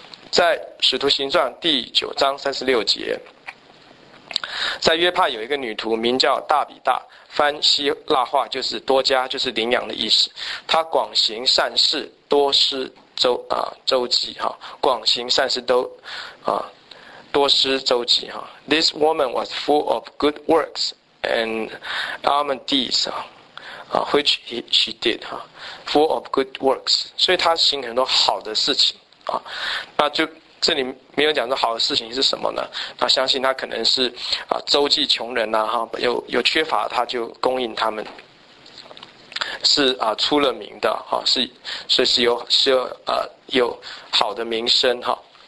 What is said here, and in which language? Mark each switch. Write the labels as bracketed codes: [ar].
[zh] 在使徒行传第九章三十六节，在约帕有一个女徒名叫大比大，翻希腊话就是多加，就是领养的意思。她广行善事，多施周济哈，广行善事都啊多施周济哈。 [en] This woman was full of good works. And almond deeds, which she did, full of good works. [zh] 所以他行很多好的事情啊，那就这里没有讲说好的事情是什么呢？那相信他可能是啊周济穷人呐，哈，有缺乏他就供应他们，是啊出了名的哈，是有好的名声哈。